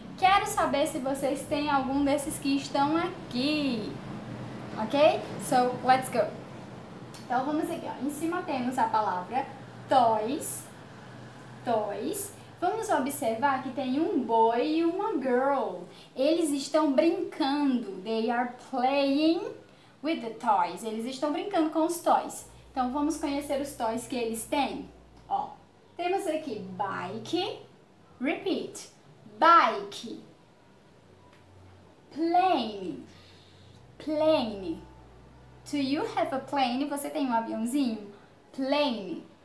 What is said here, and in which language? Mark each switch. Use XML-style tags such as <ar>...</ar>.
<pt>Quero saber se vocês têm algum desses que estão aqui. Ok?</pt> <en>So, let's go.</en> <pt>Então, vamos aqui, ó. Em cima temos a palavra toys. Toys. Vamos observar que tem um boy e uma girl. Eles estão brincando.</pt> <en>They are playing with the toys.</en> <pt>Eles estão brincando com os toys. Então, vamos conhecer os toys que eles têm.</pt> <en>Ó, temos aqui bike. Repeat. Bike. Plane. Plane. Do you have a plane?</en> <pt>Você tem um aviãozinho?</pt> <en>Plane.</en>